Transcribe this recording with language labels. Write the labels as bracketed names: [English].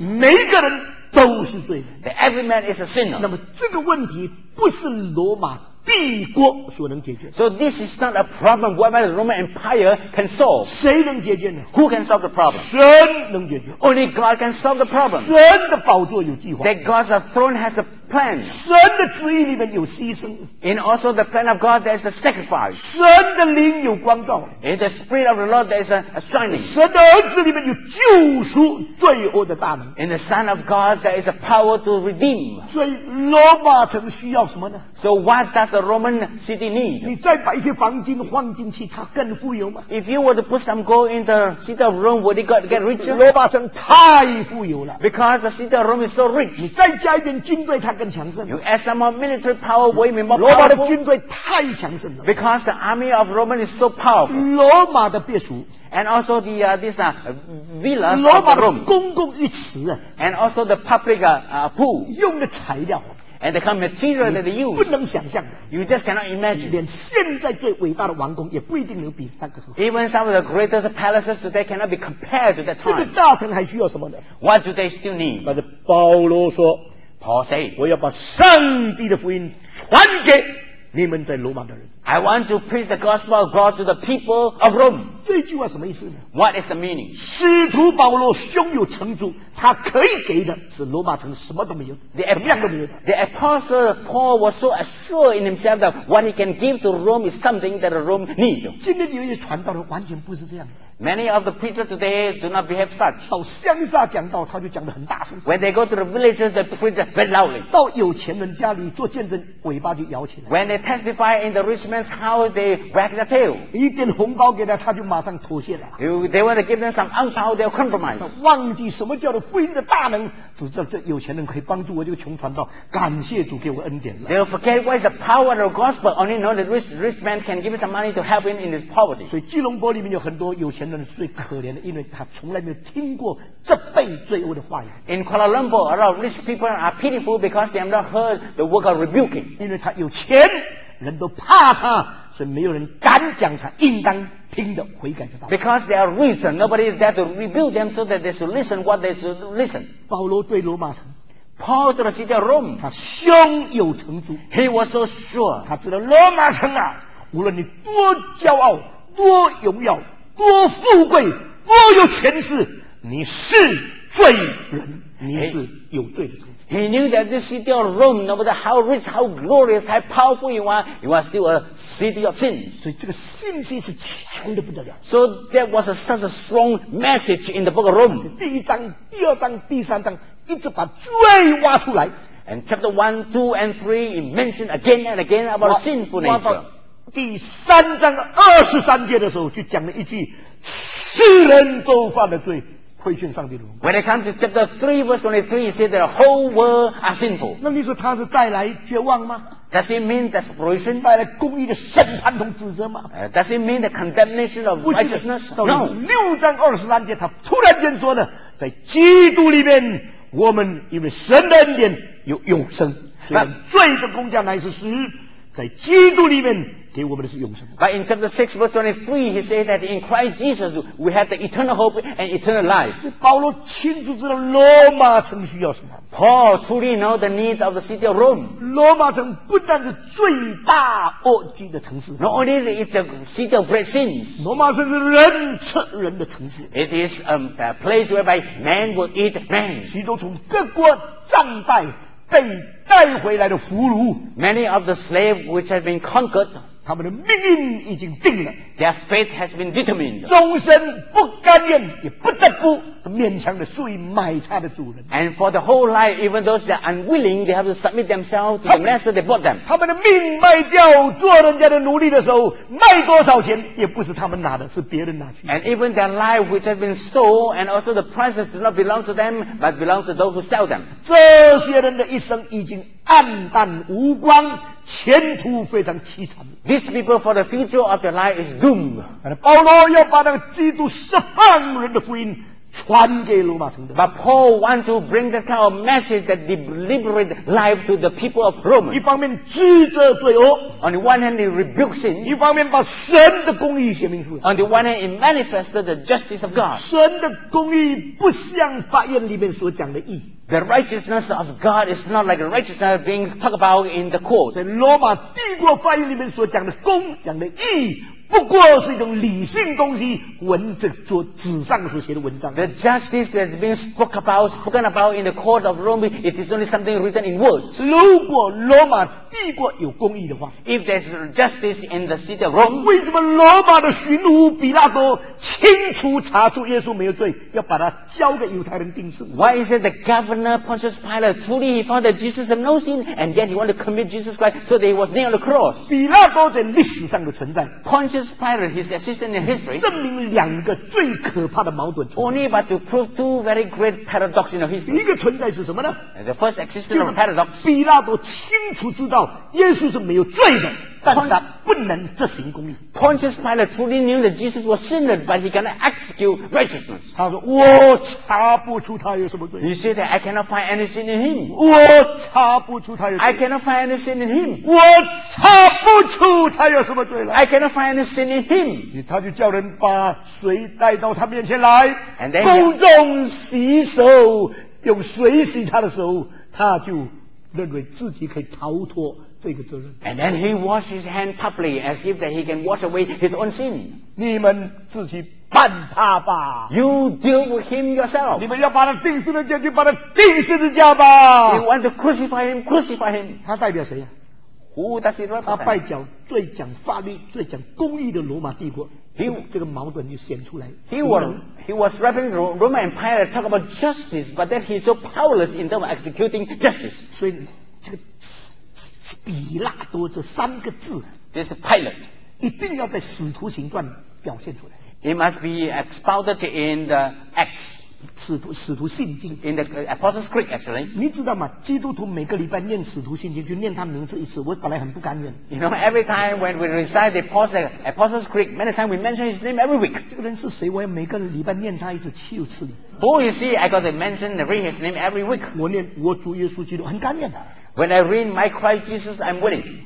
[Chinese] 每一个人都是罪人。 [English] That every man is a sinner. [Chinese] 那么这个问题不是罗马帝国所能解决。 [English] So this is not a problem whereby the Roman Empire can solve. [Chinese] 谁能解决呢？ [English] Who can solve the problem? [Chinese] 神能解决。 [English] Only God can solve the problem. [Chinese] 神的宝座有计划。 [English] That God's throne has a plan. [Chinese] 神的旨意里面有牺牲。 [English] And also the plan of God, there's the sacrifice. [Chinese] 神的灵有光照。 [English] In the spirit of the Lord, there's a shining. [Chinese] 神的儿子里面有救赎罪恶的大能。 [English] In the Son of God, there is a power to redeem. [Chinese] 所以罗马城需要什么呢？ [English] So what does the Roman city need? [Chinese] 你再把一些黄金放进去，它更富有吗？ [English] If you were to put some gold in the city of Rome, would it get richer? [Chinese] 罗马城太富有了。 [English] Because the city of Rome is so rich. [Chinese] 你再加一点军队，它更强盛。 [English] You add some more military power, will it be more powerful? [Chinese] 罗马的军队太强盛了。 [English] Because the army of Roman is so powerful. [Chinese] 罗马的别墅。 [English] And also the villas of the Rome. [Chinese] 公共浴池。 [English] And also the public pool. [Chinese] 用的材料。 [English] And the kind of material that they use. [Chinese] 不能想象。 [English] You just cannot imagine. [Chinese] 连现在最伟大的王宫也不一定能比那个时候。 [English] Even some of the greatest palaces today cannot be compared to that time. [Chinese] 这个大城还需要什么呢？ [English] What do they still need? [Chinese] 但是保罗说， [English] Paul say, [Chinese] 我要把上帝的福音传给你们在罗马的人。 [English] I want to preach the gospel of God to the people of Rome. [Chinese] 这句话什么意思呢？ [English] What is the meaning? [Chinese] 使徒保罗胸有成竹，他可以给的是罗马城什么都没有，什么样都没有。 [English] The apostle Paul was so assured in himself that what he can give to Rome is something that Rome needs. [Chinese] 今天有些传道人完全不是这样的。 [English] Many of the preachers today do not behave such. [Chinese] 到乡下讲道，他就讲得很大声。 [English] When they go to the villages, they preach very loudly. [Chinese] 到有钱人家里做见证，尾巴就摇起来。 [English] When they testify in the rich man's house, they wag the tail. [Chinese] 一点红包给他，他就马上妥协了。 [English] If they want to give them some angpao, they'll compromise. [Chinese] 忘记什么叫做福音的大能，只知道这有钱人可以帮助我这个穷传道，感谢主给我恩典了。 [English] They'll forget what is the power of the gospel. Only know that rich man can give some money to help him in his poverty. [Chinese] 所以基隆坡里面有很多有钱人。最可怜的，因为他从来没有听过这辈罪恶的话语。 [English] In Kuala Lumpur, a lot of rich people are pitiful because they have not heard the word of rebuking. [Chinese] 因为他有钱，人都怕他，所以没有人敢讲他应当听的悔改的道。 [English] Because they are reason, nobody dare to rebuke them so that they should listen what they should listen. [Chinese] 保罗对罗马城。 [English] Paul to the city of Rome. [Chinese] 他胸有成竹。 [English] He was so sure. [Chinese] 他知道罗马城啊，无论你多骄傲，多荣耀。多富贵，多有权势，你是罪人，你是有罪的城市。 [English] He knew that this city of Rome, no matter how rich, how glorious, how powerful you are still a city of sin. [Chinese] 所以这个信息是强的不得了。 [English] So that was such a strong message in the book of Rome. [Chinese] 第一章、第二章、第三章一直把罪挖出来。 [English] And chapter 1, 2, and 3, it mentioned again and again about sinful nature. [Chinese] 第三章二十三节的时候，就讲了一句：世人都犯了罪，亏欠上帝的荣光。 [English] When it comes to chapter 3, verse 23, he said that the whole world are sinful. [Chinese] 那你说他是带来绝望吗？ [English] Does it mean desperation? [Chinese] 带来公义的审判和指责吗？ [English] Does it mean the condemnation of righteousness? No. [Chinese] 六章二十三节，他突然间说呢，在基督里面，我们因为神的恩典有永生。虽然罪的工价乃是死，在基督里面。 [English] But in chapter 6 verse 23 he said that in Christ Jesus we have the eternal hope and eternal life. [Chinese] 保罗清楚知道罗马城需要什么。 [English] Paul truly know the need of the city of Rome. [Chinese] 罗马城不但是罪大恶极的城市。 [English] Not only is it a city of great sins. [Chinese] 罗马城是人吃人的城市。 [English] It is a place whereby man will eat man. [Chinese] 许多从各国战败被带回来的俘虏。 [English] Many of the slaves which have been conquered. [Chinese] 他们的命运已经定了。 [English] Their fate has been determined. [Chinese] 终身不甘愿，也不得不勉强的属于买他的主人。 [English] And for the whole life, even those that are unwilling, they have to submit themselves to the master they bought them. [Chinese] 他们的命卖掉做人家的奴隶的时候，卖多少钱也不是他们拿的，是别人拿去。 [English] And even their life which has been sold, and also the prices do not belong to them, but belong to those who sell them. [Chinese] 这些人的一生已经暗淡无光，前途非常凄惨。 [English] These people for the future of their life is doomed. [Chinese] 保罗要把那个基督释放人的福音传给罗马城的。 [English] But Paul want to bring this kind of message that liberate life to the people of Rome. [Chinese] 一方面指责罪恶。 [English] On the one hand, he rebukes sin. [Chinese] 一方面把神的公义显明出来。 [English] On the one hand, he manifested the justice of God. [Chinese] 神的公义不像法院里面所讲的义。 [English] The righteousness of God is not like the righteousness being talked about in the court. [Chinese] 在罗马帝国法院里面所讲的公讲的义。不过是一种理性东西，文字做纸上所写的文章。 [English] The justice that's been spoken about in the court of Rome, it is only something written in words. [Chinese] 如果罗马帝国有公义的话 [English] ，If there's justice in the city of Rome, [Chinese] 为什么罗马的巡抚比拉多清楚查出耶稣没有罪，要把他交给犹太人定死 [English] ？Why is it the governor Pontius Pilate truly he found that Jesus had no sin and yet he wanted to commit Jesus Christ so that he was nailed on the cross？ [Chinese] 比拉多在历史上的存在 [English] Pontius Pilate, his assistant in history, [Chinese] 证明两个最可怕的矛盾 [English] Only but to prove two very great paradoxes in history. [Chinese] 一个存在是什么呢 [English] ？The first existence of paradox. [Chinese] 比拉多清楚知道耶稣是没有罪的。但他不能执行公义。 [English] Pontius Pilate truly knew that Jesus was sinner, but he cannot execute righteousness. [Chinese] 他说：“我查不出他有什么罪。” [English] He said that I cannot find any sin in him. [Chinese] 我查不出他有。 [English] I cannot find any sin in him. [Chinese] 我查不出他有什么罪了。 [English] I cannot find any sin in him. [Chinese] 他就叫人把水带到他面前来，公众洗手，用水洗他的手，他就认为自己可以逃脱。这个责任。 [English] And then he washed his hand publicly as if that he can wash away his own sin. [Chinese] 你们自己办他吧。 [English] You deal with him yourself. [Chinese] 你们要把他钉十字架，就把他钉十字架吧。 [English] You want to crucify him, crucify him. [Chinese] 他代表谁呀、啊、 [English] ？Who does he represent? [Chinese] 他代表最讲法律、最讲公义的罗马帝国。这个矛盾就显出来。 [English] He was representing Roman Empire to talk about justice, but that he's so powerless in terms of executing justice. [Chinese] 所以这个。比拉多这三个字 [English] This pilot [Chinese] 一定要在使徒行传表现出来 [English] It must be expounded in the Acts [Chinese] 使徒信经 [English] In the Apostles' Creed actually [Chinese] 你知道吗基督徒每个礼拜念使徒信经就念他名字一次我本来很不甘愿 [English] You know every time when we recite the Apostles' Creed many times we mention his name every week [Chinese] 这个人是谁我要每个礼拜念他一次七次 [English] Who is he? I got to mention and read his name every week [Chinese] 我念我主耶稣基督很甘愿的 [English] When I read my Christ Jesus, I'm willing.